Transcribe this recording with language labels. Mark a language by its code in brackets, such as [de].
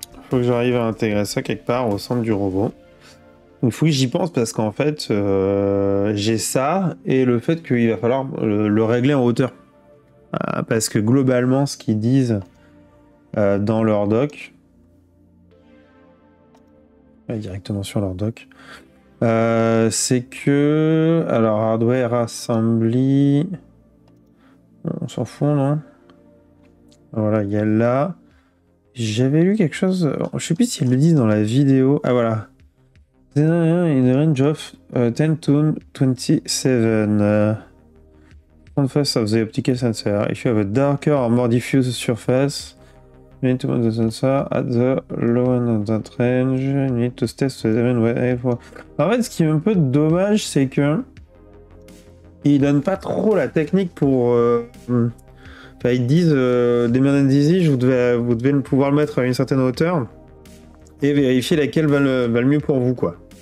[fr] Faut que j'arrive à intégrer ça quelque part au centre du robot. Il faut que j'y pense parce qu'en fait, j'ai ça et le fait qu'il va falloir le régler en hauteur. Parce que globalement, ce qu'ils disent dans leur doc, directement sur leur doc, c'est que. Alors, hardware assembly. On s'en fout, non? Voilà, il y a là. J'avais lu quelque chose, je sais plus si ils le disent dans la vidéo. Ah voilà. [en] In the range of 10 to 27. Front face of the optical sensor. If you have a darker or more diffuse surface, you need to move the sensor at the low end of that range. You need to test the range. [fr] En fait, ce qui est un peu dommage, c'est que. Ils donnent pas trop la technique pour. Enfin, ils disent, démerdez-y, vous devez pouvoir le mettre à une certaine hauteur et vérifier laquelle va le mieux pour vous, quoi.